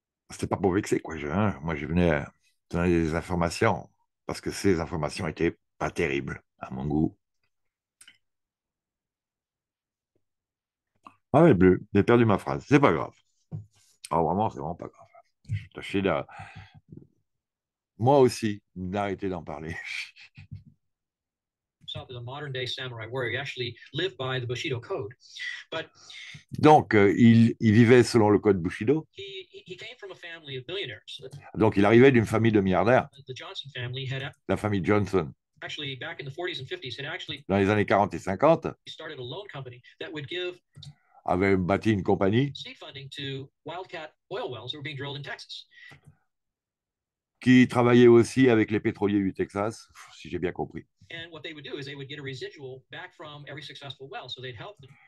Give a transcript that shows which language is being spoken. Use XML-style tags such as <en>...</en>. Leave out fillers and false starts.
<fr>C'était pas pour vexer, quoi. Hein. Moi, je venais donner des informations parce que ces informations étaient pas terribles à mon goût. Ah, mais bleu, j'ai perdu ma phrase. C'est pas grave. Ah, vraiment, c'est vraiment pas grave. Je tâchais de. Moi aussi, d'arrêter d'en parler.</fr> <en>Is a modern day samurai warrior. He actually lived by the Bushido code. But</en> <fr>donc, il vivait selon le code Bushido.</fr> <en>He came from a family of billionaires.</en> <fr>Donc, il arrivait d'une famille de milliardaires.</fr> <en>The Johnson family had,</en> <fr>la famille Johnson.</fr> <en>Actually, back in the 40s and 50s, had actually,</en> <fr>dans les années 40 et 50,</fr> <en>he started a loan company that would give,</en> <fr>avait bâti une compagnie</fr> <en>seed funding to wildcat oil wells that were being drilled in Texas.</en> <fr>Qui travaillait aussi avec les pétroliers du Texas, si j'ai bien compris.</fr> <en>And what they would do is they would get a residual back from every successful well, so they'd help them.</en>